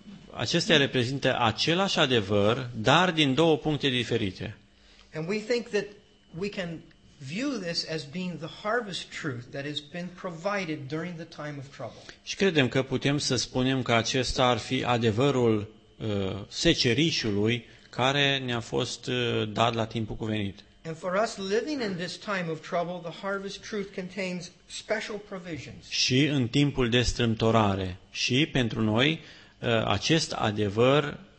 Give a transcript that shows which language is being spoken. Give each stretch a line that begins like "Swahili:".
Romanian: Acestea reprezintă același adevăr, dar din două puncte diferite.
English: And we think that we can view this as being the harvest truth that has been provided during the time of trouble.
Romanian: Și credem că putem să spunem că acesta ar fi adevărul secerișului care ne-a fost dat la timpul cuvenit.
English: And for us living in this time of trouble, the harvest truth contains special provisions.
Romanian: Și în timpul de strâmtorare, și pentru noi, acest adevăr